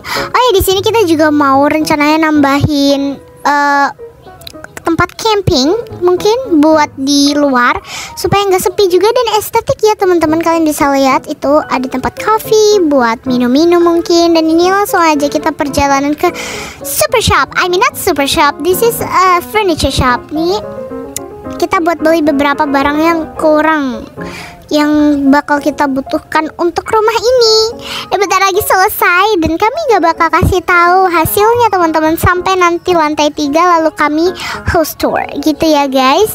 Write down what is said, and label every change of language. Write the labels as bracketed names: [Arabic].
[Indonesian] Oh ya, di sini kita juga mau rencananya nambahin tempat camping mungkin buat di luar supaya nggak sepi juga dan estetik ya teman-teman. Kalian bisa lihat itu ada tempat kopi buat minum-minum mungkin, dan ini langsung aja kita perjalanan ke super shop. [English] I mean not super shop, this is a furniture shop [Indonesian] nih. Kita buat beli beberapa barang yang kurang yang bakal kita butuhkan untuk rumah ini. Bentar lagi selesai dan kami gak bakal kasih tahu hasilnya teman-teman sampai nanti lantai 3 lalu kami house tour gitu ya guys.